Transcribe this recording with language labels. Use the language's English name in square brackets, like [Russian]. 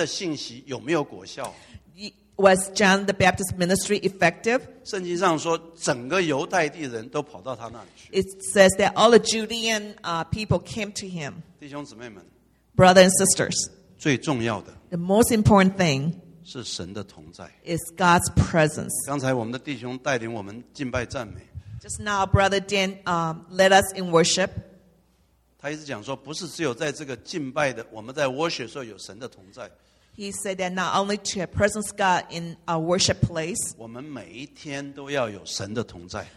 [Chinese] 请问施洗约翰传的信息有没有果效？ [English] Was John the Baptist ministry effective? [Chinese] 圣经上说整个犹太地人都跑到他那里去。 [English] It says that all the Judean people came to him. [Chinese] 弟兄姊妹们， [English] Brothers and sisters, [Chinese] 最重要的， [English] The most important thing [Chinese] 是神的同在， [English] Is God's presence. [Chinese] 刚才我们的弟兄带领我们敬拜赞美。 [English] Just now, Brother Dan led us in worship. [Chinese] 他一直讲说，不是只有在这个敬拜的，我们在worship的时候有神的同在。 [English] He said that not only to have presence God in our worship place. [Chinese] 我们每一天都要有神的同在。